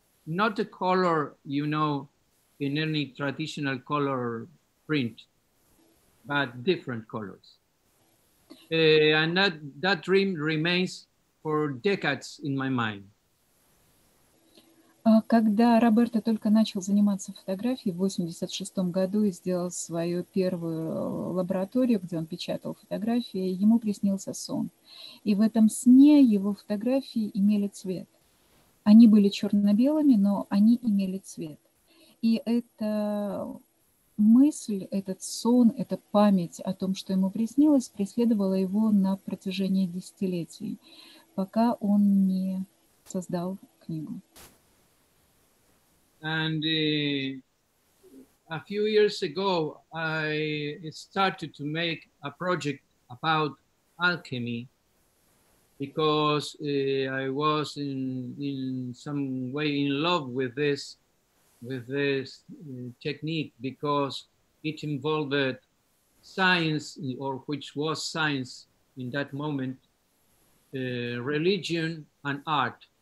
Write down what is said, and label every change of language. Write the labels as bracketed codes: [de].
[en] Not the color, you know, in any traditional color print, but different colors. And that dream remains for decades in my mind. [ru] Когда Роберто только начал заниматься фотографией в 1986 году и сделал свою первую лабораторию, где он печатал фотографии, ему приснился сон. И в этом сне его фотографии имели цвет. Они были черно-белыми, но они имели цвет. И эта мысль, этот сон, эта память о том, что ему приснилось, преследовала его на протяжении десятилетий, пока он не создал книгу. [en] And a few years ago, I started to make a project about alchemy because I was in some way in love with this technique because it involved science, or which was science in that moment, religion and art.